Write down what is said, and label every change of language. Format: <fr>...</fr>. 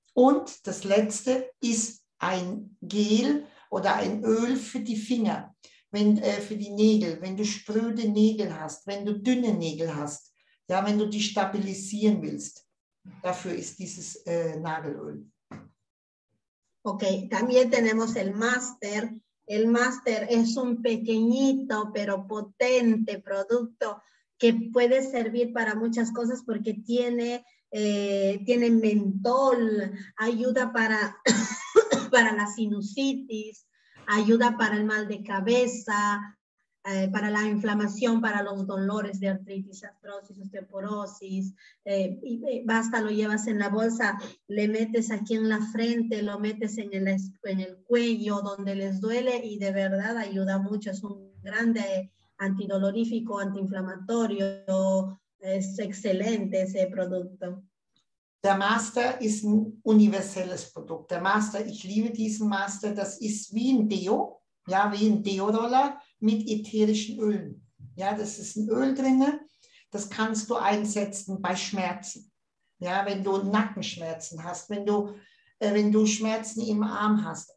<de>Und das Letzte ist ein Gel oder ein Öl für die Finger, wenn, für die Nägel, wenn du spröde Nägel hast, wenn du dünne Nägel hast, ja, wenn du die stabilisieren willst, dafür ist dieses Nagelöl.</de> <es>Okay, también tenemos el Master. El Master es un pequeñito pero potente producto que puede servir para muchas cosas porque tiene mentol, ayuda para para la sinusitis, ayuda para el mal de cabeza, para la inflamación, para los dolores de artritis, artrosis, osteoporosis, y basta, lo llevas en la bolsa, le metes aquí en la frente, lo metes en el cuello, donde les duele, y de verdad ayuda mucho, es un grande antidolorífico, antiinflamatorio, es excelente ese producto.</es> <de>Der Master ist ein universelles Produkt. Der Master, ich liebe diesen Master, das ist wie ein Deo, ja, wie ein Deo-Roller mit ätherischen Ölen. Ja, das ist ein Öl drin, das kannst du einsetzen bei Schmerzen. Ja, wenn du Nackenschmerzen hast, wenn du Schmerzen im Arm hast.</de>